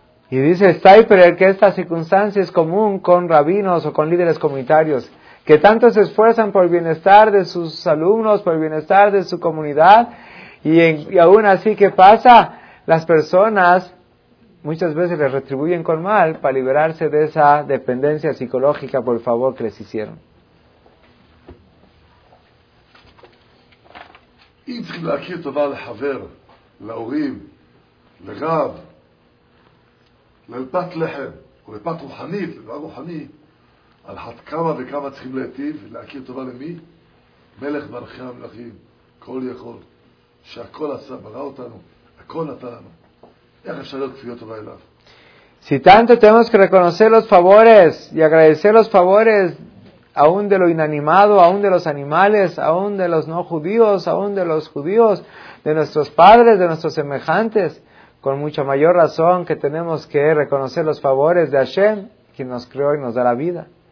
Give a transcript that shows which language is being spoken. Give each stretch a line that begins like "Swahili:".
Spanish: Y dice Steiperer que esta circunstancia es común con rabinos o con líderes comunitarios, que tanto se esfuerzan por el bienestar de sus alumnos, por el bienestar de su comunidad, y aún así, ¿qué pasa? Las personas muchas veces les retribuyen con mal para liberarse de esa dependencia psicológica por el favor que les hicieron.
Hebrew: אם צריכים להכיר טובה לחבר, להורים, לרב, ללפת לחם, או לפת רוחנית, לדבר רוחני, על חד כמה וכמה צריכים להטיב, להכיר טובה למי? מלך מלכי המלכים, כל יכול, שהכל עשה, ברא אותנו, הכל נתן לנו. איך אפשר להיות כפיות טובה אליו?
Spanish: Si tanto tenemos que reconocer los favores y agradecer los favores aún de lo inanimado, aún de los animales, aún de los no judíos, aún de los judíos, de nuestros padres, de nuestros semejantes, con mucha mayor razón que tenemos que reconocer los favores de Hashem, quien nos creó y nos da la vida.